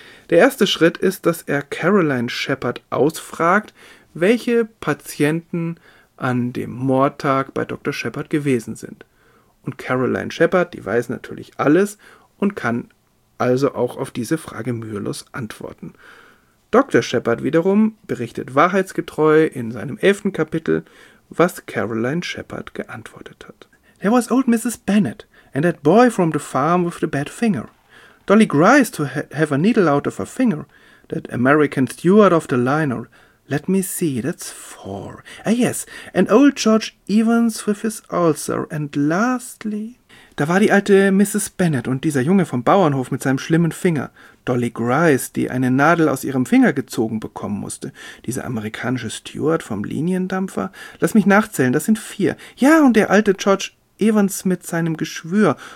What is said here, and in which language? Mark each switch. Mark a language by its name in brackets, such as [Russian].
[German] Der erste Schritt ist, dass er Caroline Shepard ausfragt, welche Patienten an dem Mordtag bei Dr. Shepard gewesen sind. Und Caroline Shepard, die weiß natürlich alles und kann also auch auf diese Frage mühelos antworten. Dr. Shepard wiederum berichtet wahrheitsgetreu in seinem 11. Kapitel, was Caroline Shepard geantwortet hat. [English] There was old Mrs. Bennett and that boy from the farm with the bad finger. Dolly cries to have a needle out of her finger. That American steward of the liner. Let me see, that's 4. Ah yes, and old George Evans with his ulcer. And lastly... [German] Da war die alte Mrs. Bennett und dieser Junge vom Bauernhof mit seinem schlimmen Finger. Dolly Grice, die eine Nadel aus ihrem Finger gezogen bekommen musste. Dieser amerikanische Steward vom Liniendampfer. Lass mich nachzählen, das sind 4. Ja, und der alte George Evans mit seinem Geschwür.